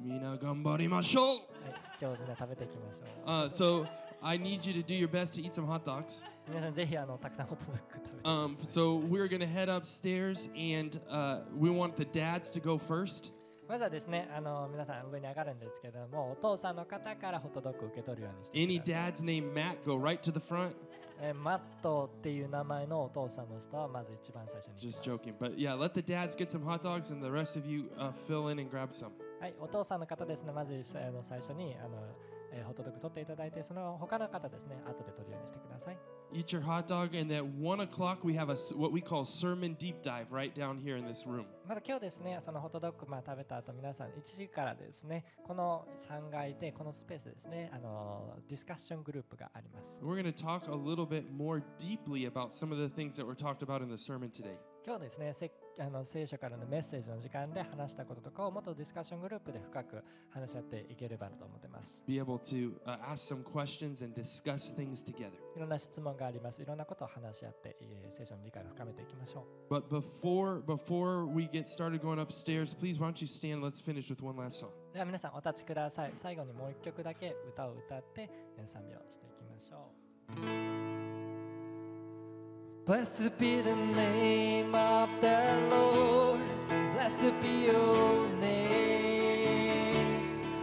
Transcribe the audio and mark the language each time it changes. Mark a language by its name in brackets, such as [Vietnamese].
[Japanese] みんな頑張りましょう。はい、今日みんな食べていきましょう。 [English] So I need you to do your best to eat some hot dogs. [Japanese] 皆さんぜひたくさんホットドッグ食べてください [English] So we're gonna head upstairs and we want the dads to go first. [Japanese] まずはですね、皆さん上に上がるんですけども、お父さんの方からホットドッグを受け取るようにしてください。 [English] Any dad's name Matt, go right to the front. [Japanese] マットっていう名前のお父さんの人はまず一番最初に。 [English] Just joking, but yeah, let the dads get some hot dogs and the rest of you fill in and grab some. [Japanese] はい、お父さんの方ですね、まず最初にホットドッグ取っていただいて、その他の方ですね、後で取るようにしてください。 [English] Eat your hot dog, and at 1 o'clock we have a what we call sermon deep dive right down here in this room. [Japanese] まだ今日ですね、そのホットドッグ食べた後、皆さん1時からですね、この3階でこのスペースですね、ディスカッショングループがあります。 [English] We're going to talk a little bit more deeply about some of the things that were talked about in the sermon today. [Japanese] 今日ですね、聖書からのメッセージの時間で話したこととかをもっとディスカッショングループで深く話し合っていければと思ってます。 [English] Be able to ask some questions and discuss things together. [Japanese] いろんな質問があります。いろんなことを話し合って聖書の理解を深めていきましょう。 [English] But before we get started going upstairs, please why don't you stand? Let's finish with one last song. [Japanese] では皆さんお立ちください。最後にもう一曲だけ歌を歌って賛美をしていきましょう。 [English] Blessed be the name of the Lord. Blessed be your name.